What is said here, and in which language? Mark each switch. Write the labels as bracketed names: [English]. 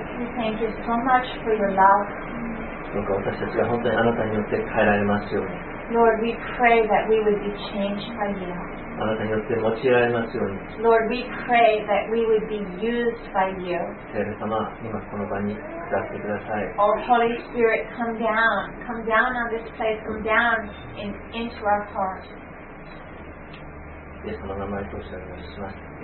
[English] We thank you so much for your love. [Japanese] どうか私たちが本当にあなたによって変えられますように。 [English] Lord, we pray that we would be changed by you. [Japanese] あなたによって用いられますように。 [English] Lord, we pray that we would be used by you. [Japanese] 聖霊様、今この場に下ってください。 [English] Our Holy Spirit, come down. Come down on this place. Come down in, into our hearts. [Japanese] イエスの名前とおっしゃいします。